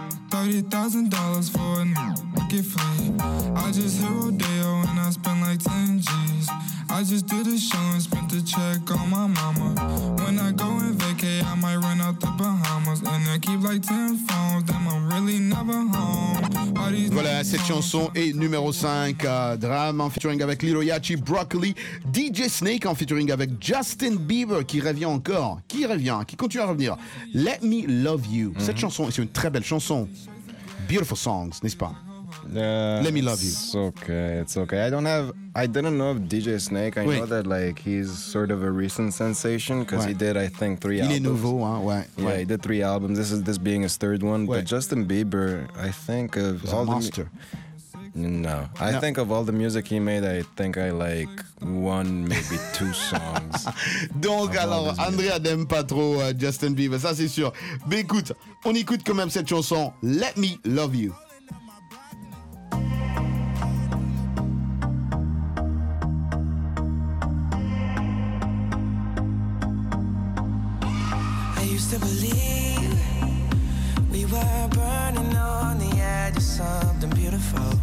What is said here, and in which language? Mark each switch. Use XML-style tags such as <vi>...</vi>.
<en>$30,000 for a new rocket fleet. I just hit Rodeo and I spent like 10 G's. I just did a show and spent a check on my mama. When I go and vacay, I might run out the Bahamas. And I keep like 10 phones, then I'm really never home.</en> <fr>Voilà, cette chanson est numéro 5. Drame en featuring avec Lil Yachty, Broccoli, DJ Snake en featuring avec Justin Bieber qui revient encore, qui continue à revenir. Let Me Love You. Mm-hmm. Cette chanson, c'est une très belle chanson.</fr> <en>Beautiful songs,</en> <fr>n'est-ce pas? Let Me Love You.</fr> <en>It's okay, it's okay. I didn't know of DJ Snake. I know that like he's sort of a recent sensation because he did, I think, three</en> <fr>il Il est nouveau, hein? Ouais.</fr> <en>Yeah, he did three albums. This being his third one. Ouais. But Justin Bieber, I think of he's all a monster. I think of all the music he made, I think I like one, maybe two songs.</en> <fr>Donc, alors, Andrea n'aime pas trop Justin Bieber, ça c'est sûr. Mais écoute, on écoute quand même cette chanson, Let Me Love You.</fr> <en>I used to believe we were burning on the edge of something beautiful.</en>